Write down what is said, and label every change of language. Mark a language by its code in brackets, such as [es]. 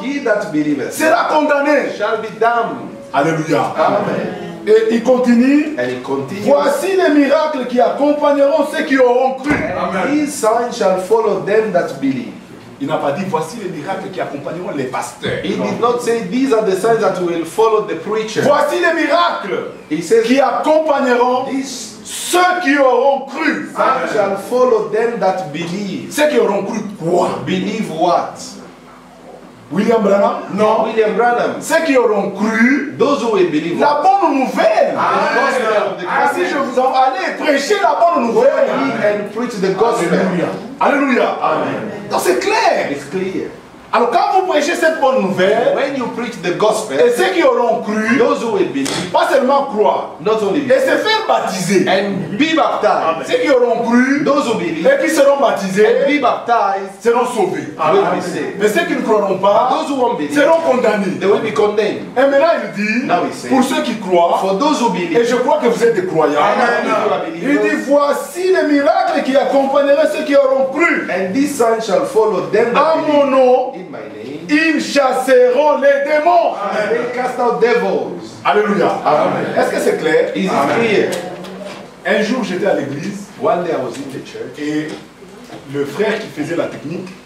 [en] and he that believeth, [fr] sera condamné. [en] Shall be damned. [fr] Alléluia. [en] Amen. [fr] Et il continue. [en] And he continues. [fr] Voici les miracles qui accompagneront ceux qui auront cru. [en] Amen. His signs shall follow them that believe. [fr] Il n'a pas dit voici les miracles qui accompagneront les pasteurs. [en] He did not say these are the signs that will follow the preacher. [fr] Voici les miracles. [en] He says [fr] qui accompagneront ceux qui auront cru. [en] Amen. Shall follow them that believe. [fr] Ceux qui auront cru quoi? [en] Believe what? [fr] William Branham? [en] No. William Branham. [fr] Ceux qui auront cru, [en] those who will believe. [fr] La bonne nouvelle. [en] Amen. The gospel of the Christ. [fr] Si je vous en allez prêcher la bonne nouvelle. [en] Amen. And preach the gospel. [fr] Alléluia. Alléluia. [en] Amen. [fr] Donc c'est clair. [en] It's clear. [fr] Alors quand vous prêchez cette bonne nouvelle, [en] when you preach the gospel, [fr] et ceux qui auront cru, [en] those who will believe, [fr] pas seulement croire, [en] not only believe, [fr] et se faire baptiser, [en] and be baptized, [fr] amen. Ceux qui auront cru, [en] those who believe, [fr] et qui seront baptisés, [en] and be baptized, [fr] seront sauvés, [en] amen. Amen. Amen. [fr] Mais ceux qui ne croiront pas, [en] those who won't believe, [fr] seront condamnés, [en] they will be condemned. [fr] Et maintenant il dit, [en] now he says, [fr] pour ceux qui croient, [en] for those who believe, [fr] et je crois que vous êtes des croyants, [en] amen. Amen. Amen. [fr] Il dit voici les miracles qui accompagneront ceux qui auront cru, [en] and this sign shall follow them that believe. [fr] À mon nom. [en] In my name. [fr] Ils chasseront les démons. [en] Amen. They cast out devils. [fr] Alléluia. [en] Amen. [fr] Est-ce que c'est clair? [en] Is it clear? [fr] Un jour j'étais à l'église. [en] One day I was in the church. [fr] Et le frère qui faisait la technique,